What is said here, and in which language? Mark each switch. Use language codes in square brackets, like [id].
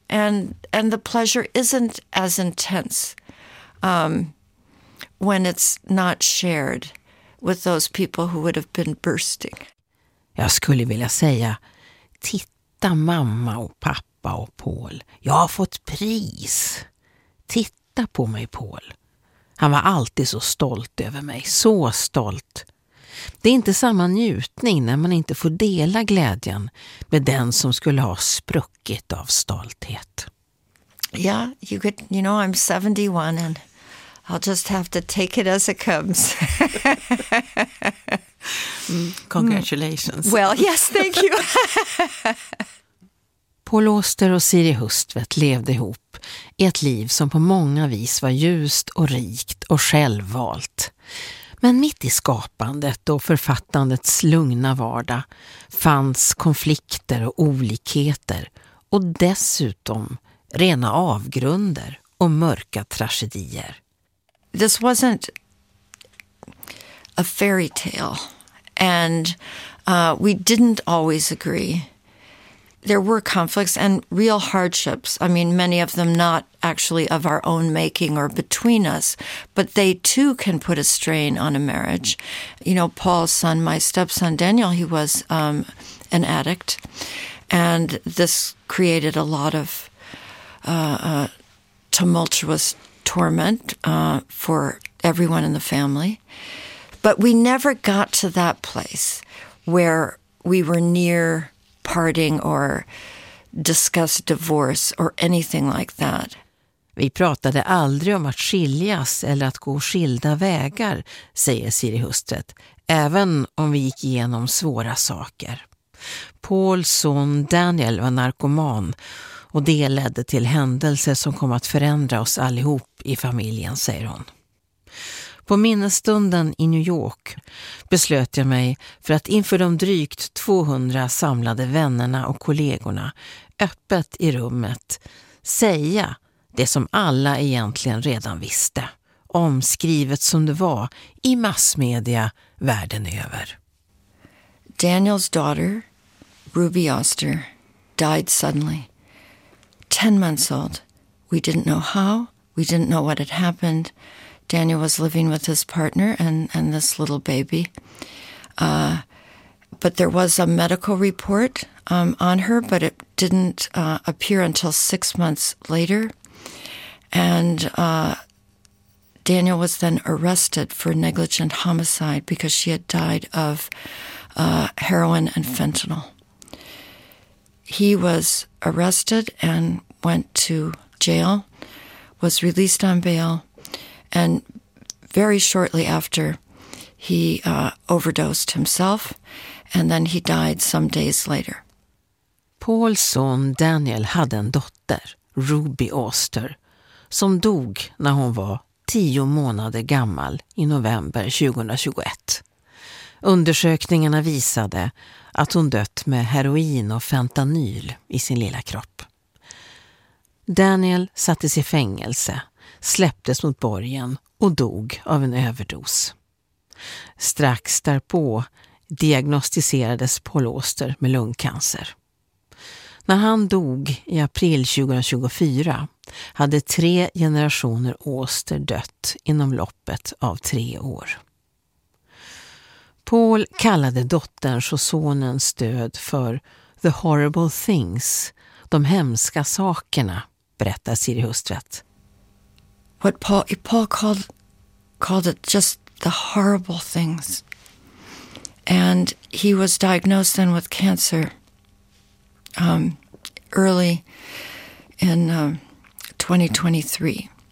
[en] And the pleasure isn't as intense when it's not shared with those people who would have been bursting. [sv] Jag skulle vilja säga, titta mamma och pappa och Paul. Jag har fått pris. Titta på mig, Paul. Han var alltid så stolt över mig. Så stolt. Det är inte samma njutning när man inte får dela glädjen med den som skulle ha spruckit av stolthet. [en] Ja, yeah, you could, you know, I'm 71 and I'll just have to take it as it comes. Congratulations. Well, yes, thank you. [sv] Paul Auster och Siri Hustvedt levde ihop i ett liv som på många vis var ljust och rikt och självvalt. Men mitt i skapandet och författandets lugna vardag fanns konflikter och olikheter och dessutom rena avgrunder och mörka tragedier. [en] This wasn't a fairy tale, and we didn't always agree. There were conflicts and real hardships. I mean, many of them not actually of our own making or between us, but they too can put a strain on a marriage. You know, Paul's son, my stepson Daniel, he was an addict, and this created a lot of tumultuous torment for everyone in the family. But we never got to that place where we were near parting or discuss divorce or anything like that. [sv] Vi pratade aldrig om att skiljas eller att gå skilda vägar, säger Siri Hustvedt, även om vi gick igenom svåra saker. Pauls son Daniel var narkoman och det ledde till händelser som kom att förändra oss allihop i familjen, säger hon. På minnesstunden i New York beslöt jag mig för att inför de drygt 200 samlade vännerna och kollegorna öppet i rummet säga det som alla egentligen redan visste, omskrivet som det var i massmedia världen över. [en] Daniels daughter, Ruby Oster, died suddenly. 10 months old. We didn't know how, we didn't know what had happened. Daniel was living with his partner and this little baby. But there was a medical report on her, but it didn't appear until 6 months later. And Daniel was then arrested for negligent homicide because she had died of heroin and fentanyl. He was arrested and went to jail, was released on bail, and very shortly after, he overdosed himself, and then he died some days later. [sv] Pauls son Daniel hade en dotter, Ruby Oster, som dog när hon var 10 månader gammal i november 2021. Undersökningarna visade att hon dött med heroin och fentanyl i sin lilla kropp. Daniel sattes i fängelse, släpptes mot borgen och dog av en överdos. Strax därpå diagnostiserades Paul Oster med lungcancer. När han dog i april 2024 hade 3 generationer Oster dött inom loppet av 3 år. Paul kallade dotterns och sonens död för [en] The Horrible Things, [sv] de hemska sakerna, berättar Siri Hustvedt. [en] What Paul called it just the horrible things. And he was diagnosed then with cancer early in 2023.